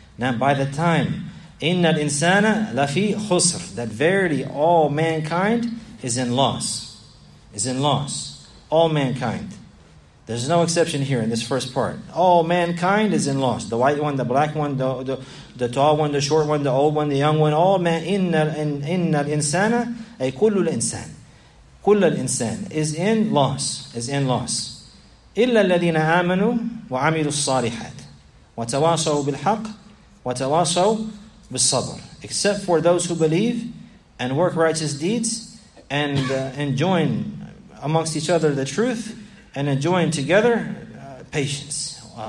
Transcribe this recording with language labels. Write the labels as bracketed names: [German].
[English] Now by the time, [Arabic] إِنَّ الْإِنسَانَ لَفِي خُسْرٍ, [English] that verily all mankind is in loss. Is in loss. All mankind. There's no exception here in this first part. All mankind is in loss. The white one, the black one, the tall one, the short one, the old one, the young one. All man, [Arabic] إِنَّ الْإِنسَانَ أي كُلُّ الْإِنسَانِ. كُلَّ الْإِنسَانِ [English] is in loss. Is in loss. [Arabic] إِلَّا الَّذِينَ آمَنُوا وَعَمِلُوا الصَّالِحَاتِ وَتَوَاصَوْا بِالْحَقِّ وَتَوَاصَوْا بِالصَّبْرِ. [English] Except for those who believe and work righteous deeds and join amongst each other the truth and enjoin together patience.